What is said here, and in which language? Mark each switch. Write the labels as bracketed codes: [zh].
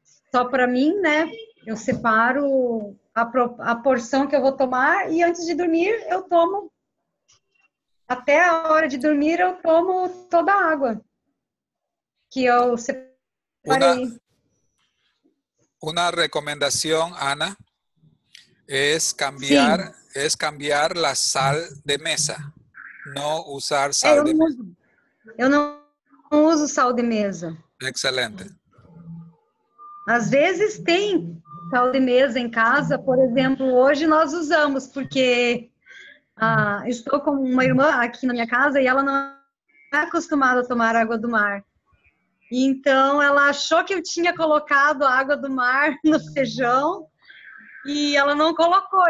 [pt] Só para mim, né? Eu separo a porção que eu vou tomar e antes de dormir eu tomo. Até a hora de dormir eu tomo toda a água que eu separei. [es] Una recomendación, Ana, es cambiar la sal de mesa, no usar sal de mesa. [pt] Eu não uso sal de mesa. Excelente. Às vezes tem sal de mesa em casa, por exemplo, hoje nós usamos, porque estou com uma irmã aqui na minha casa e ela não é acostumada a tomar água do mar. Então, ela achou que eu tinha colocado a água do mar no feijão e ela não colocou.